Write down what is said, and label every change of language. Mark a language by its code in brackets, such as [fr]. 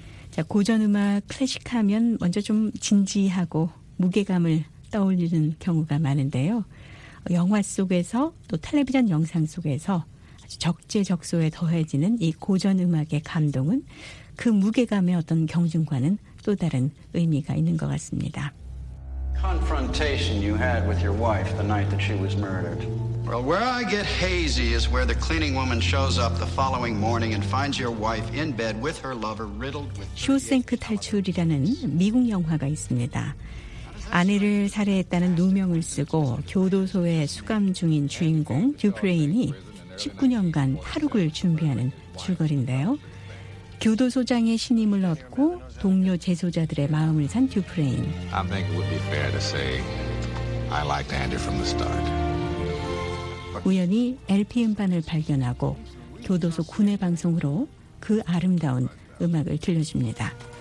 [ko] 자, 고전음악 클래식하면 먼저 좀 진지하고 무게감을 떠올리는 경우가 많은데요. 영화 속에서 또 텔레비전 영상 속에서 아주 적재적소에 더해지는 이 고전음악의 감동은 그 무게감의 어떤 경중과는 또 다른 의미가 있는 것 같습니다. [en] Confrontation you had with your wife the night that she was murdered. Well, where I get hazy is where the cleaning woman shows up the following morning and finds your wife in bed with her lover riddled with. [ko] 쇼생크 탈출이라는 미국 영화가 있습니다. 아내를 살해했다는 누명을 쓰고 교도소에 수감 중인 주인공 듀프레인이 19년간 탈옥을 준비하는 줄거리인데요. 교도소장의 신임을 얻고 동료 재소자들의 마음을 산 듀프레인. [en] I think it would be fair to say I liked Andrew from the start. [ko] 우연히 LP 음반을 발견하고 교도소 군내 방송으로 그 아름다운 음악을 들려줍니다.